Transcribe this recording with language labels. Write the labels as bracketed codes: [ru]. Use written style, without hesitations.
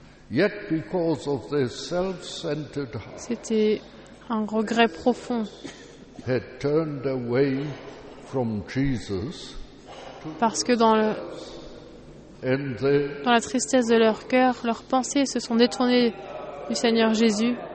[en] yet because of their self-centered heart, [fr] c'était un regret profond. [en] Had turned away from Jesus [fr] parce que dans le dans la tristesse de leur cœur, leurs pensées se sont détournées du Seigneur Jésus.